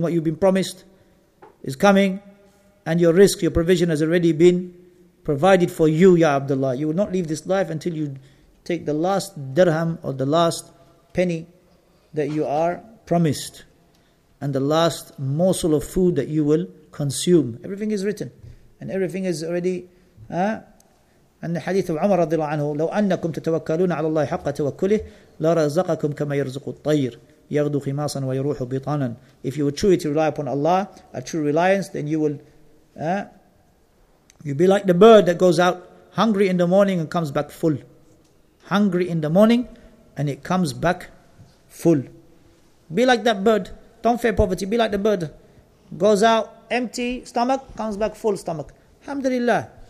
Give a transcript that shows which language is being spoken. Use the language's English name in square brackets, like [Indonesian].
[English] What you've been promised is coming, and your risk, your provision has already been provided for you, Ya Abdullah. You will not leave this life until you take the last dirham or the last penny that you are promised, and the last morsel of food that you will consume. Everything is written, and everything is already. And the hadith of Umar [Arabic] رضي الله عنه, لو أنكم تتوكلون على الله حق توكله لرزقكم كما يرزق الطير يغدو خماصا ويروح بطانا. [English] If you were truly to rely upon Allah, a true reliance, then you will, you'll be like the bird that goes out hungry in the morning and comes back full. Hungry in the morning, and it comes back full. Be like that bird. Don't fear poverty. Be like the bird. Goes out empty stomach, comes back full stomach. Alhamdulillah.